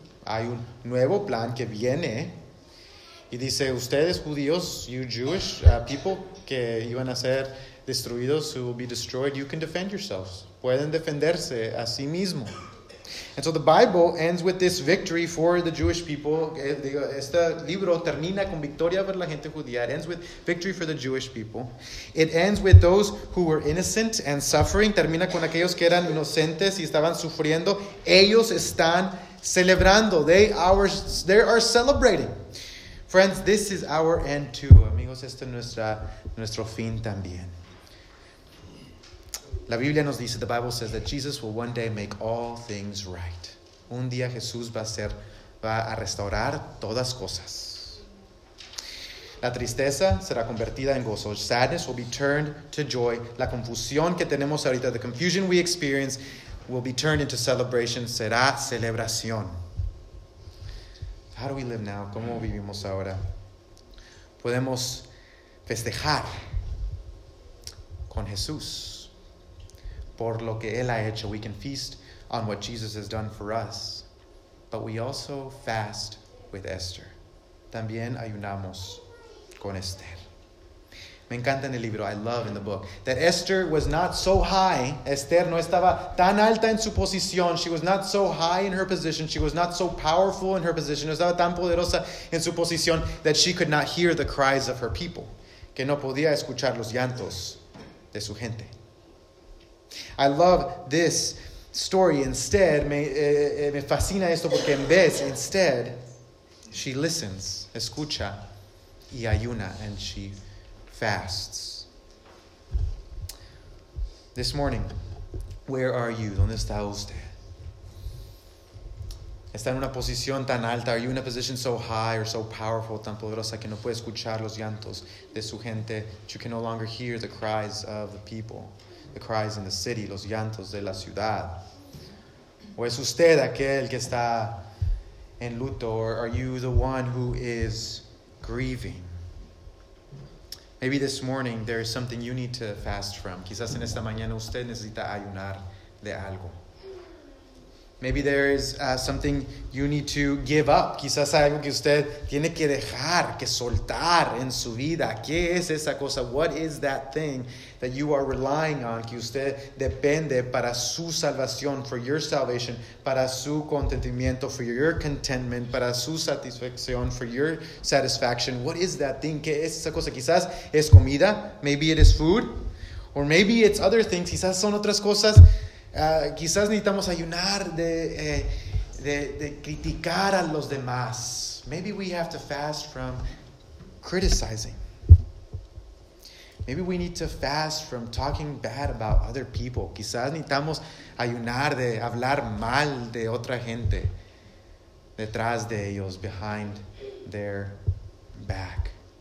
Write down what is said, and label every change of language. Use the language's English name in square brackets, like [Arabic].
[Spanish] Hay un nuevo plan que viene. Y dice, ustedes judíos, [English] you Jewish people, [Spanish] que iban a ser destruidos, [English] who will be destroyed, you can defend yourselves. [Spanish] Pueden defenderse a sí mismo. [English] And so the Bible ends with this victory for the Jewish people. [Spanish] Este libro termina con victoria para la gente judía. [English] It ends with victory for the Jewish people. It ends with those who were innocent and suffering. [Spanish] Termina con aquellos que eran inocentes y estaban sufriendo. Ellos están celebrando. [English] They are celebrating. Friends, this is our end too. [Spanish] Amigos, este es nuestro fin también. La Biblia nos dice, [English] the Bible says that Jesus will one day make all things right. [Spanish] Un día Jesús va a restaurar todas cosas. La tristeza será convertida en gozo. [English] Sadness will be turned to joy. [Spanish] La confusión que tenemos ahorita, [English] the confusion we experience, will be turned into celebration. [Spanish] Será celebración. [English] How do we live now? [Spanish] ¿Cómo vivimos ahora? Podemos festejar con Jesús. Por lo que Él ha hecho, [English] we can feast on what Jesus has done for us. But we also fast with Esther. [Spanish] También ayunamos con Esther. Me encanta en el libro, [English] I love in the book, that Esther was not so high. [Spanish] Esther no estaba tan alta en su posición. [English] She was not so high in her position. She was not so powerful in her position. [Spanish] No estaba tan poderosa en su posición [English] that she could not hear the cries of her people. [Spanish] Que no podía escuchar los llantos de su gente. [English] I love this story. Instead, [Spanish] me fascina esto porque en vez, [English] instead, she listens, [Spanish] escucha, y ayuna, [English] and she fasts. This morning, where are you? [Spanish] ¿Dónde está usted? ¿Está en una posición tan alta? [English] Are you in a position so high or so powerful, [Spanish] tan poderosa, que no puede escuchar los llantos de su gente? [English] You can no longer hear the cries of the people. The cries in the city, [Spanish] los llantos de la ciudad. ¿O es usted aquel que está en luto? [English] Or are you the one who is grieving? Maybe this morning there is something you need to fast from. [Spanish] Quizás en esta mañana usted necesita ayunar de algo. [English] Maybe there is something you need to give up. [Spanish] Quizás hay algo que usted tiene que dejar, que soltar en su vida. ¿Qué es esa cosa? [English] What is that thing that you are relying on, [Spanish] que usted depende para su salvación, [English] for your salvation, [Spanish] para su contentamiento, [English] for your contentment, [Spanish] para su satisfacción, [English] for your satisfaction? What is that thing? ¿Qué es esa cosa? [Spanish] Quizás es comida. [English] Maybe it is food. Or maybe it's other things. [Spanish] Quizás son otras cosas. Quizás necesitamos ayunar de criticar a los demás. [English] Maybe we have to fast from criticizing. Maybe we need to fast from talking bad about other people. [Spanish] Quizás necesitamos ayunar de hablar mal de otra gente detrás de ellos, [English] behind their back.